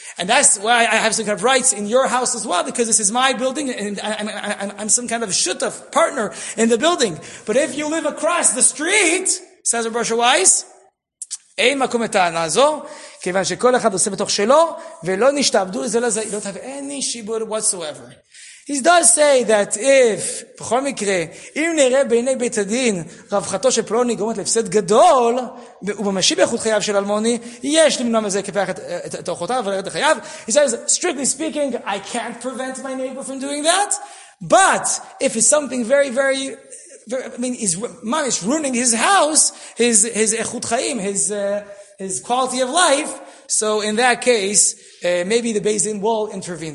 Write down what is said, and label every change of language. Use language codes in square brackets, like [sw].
[en] And that's why I have some kind of rights in your house as well, because this is my building, and I'm some kind of shutaf, partner in the building. But if you live across the street, says Rav Moshe Weiss, [he] אין מקום לטענה זו, כיוון שכל אחד עושה בתוך שלו, ולא נשתעבדו לזה לזה, [en] you don't have any shibur whatsoever. He does say that if, [he] בכל מקרה, אם נראה בעיני בית הדין, רווחתו של פלוני גורמת להפסד גדול, ובמשיב איכות חייו של אלמוני, יש למנוע מזה כפח את אורחותיו, ולרד לחייו. [en] He says, strictly speaking, I can't prevent my neighbor from doing that, but if it's something very, very, very, I mean, he's ממש ruining his house, his [he] איכות חיים, [en] his quality of life, so in that case, maybe the Beis Din will intervene.